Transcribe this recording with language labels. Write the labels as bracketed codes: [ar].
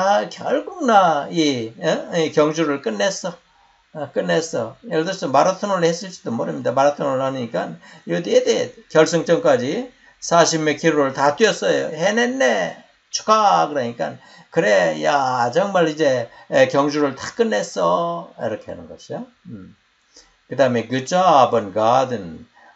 [ko] 결국 나 이 경주를 끝냈어. 끝냈어. 예를 들어서 마라톤을 했을지도 모릅니다. 마라톤을 하니까 [en] You did it. [ko] 결승점까지 40몇 킬로를 다 뛰었어요. 해냈네. 축하 그러니까 그래 야 정말 이제 경주를 다 끝냈어 이렇게 하는 것이야. 그다음에 [en] good job on garden.